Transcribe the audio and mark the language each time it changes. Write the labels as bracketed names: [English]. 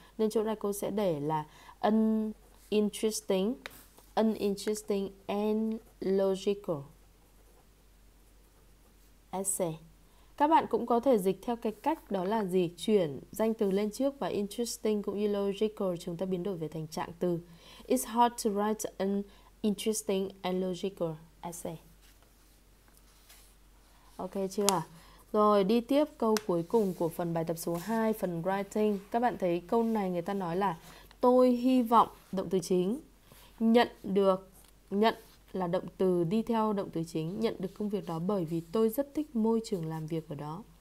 [Vietnamese] Nên chỗ này cô sẽ để là [English] uninteresting and logical essay. [Vietnamese] Các bạn cũng có thể dịch theo cái cách đó là gì? Chuyển danh từ lên trước và interesting cũng như logical chúng ta biến đổi về thành trạng từ. [English] It's hard to write an interesting and logical essay. [Vietnamese] Ok chưa? Rồi đi tiếp câu cuối cùng của phần bài tập số 2, phần writing. Các bạn thấy câu này người ta nói là tôi hy vọng, động từ chính, nhận được, nhận là động từ đi theo động từ chính, nhận được công việc đó bởi vì tôi rất thích môi trường làm việc ở đó.